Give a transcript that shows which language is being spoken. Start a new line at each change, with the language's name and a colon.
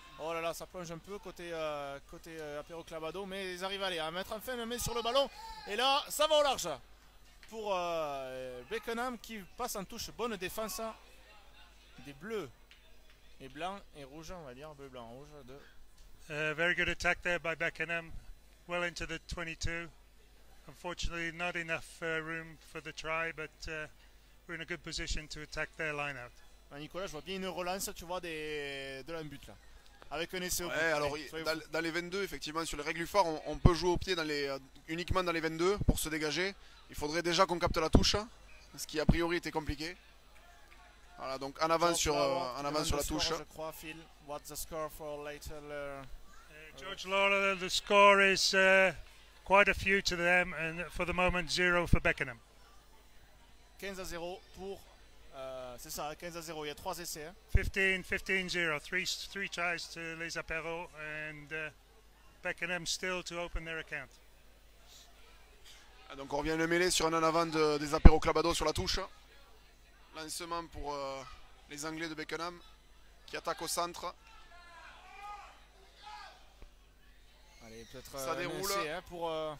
French: Oh là là, ça plonge un peu côté apéro clavado, mais ils arrivent à mettre enfin la main sur le ballon. Et là, ça va au large pour Beckenham qui passe en touche. Bonne défense des bleus et blancs et rouges, on va dire, bleu, blanc, rouge.
English: Very good attack there by Beckenham. Well into the 22. Unfortunately, not enough room for the try, but we're in a good position to attack their line-out.
French: Nicolas, je vois bien une relance, tu vois, de l'embut là. avec un essai au pied. Alors, dans les 22, effectivement, sur les règles phares, on peut jouer au pied dans les, uniquement dans les 22 pour se dégager. Il faudrait déjà qu'on capte la touche, ce qui a priori était compliqué. Voilà, donc en avant sur, en avant sur la touche. Je crois,
English: Phil, what's the score for later? George Lawler, the score is quite a few to them, and for the moment, zero for Beckenham.
French: 15-0 pour. C'est ça, 15-0, il y a 3 essais. Hein.
English: 15-0, 3 tries to Les Apéros, and Beckenham still to open their account.
French: Donc on revient le mêler sur un en avant de, des Apéros Clavado sur la touche. Lancement pour les Anglais de Beckenham qui attaquent au centre. Allez, peut-être ça déroule. Essai, hein, pour,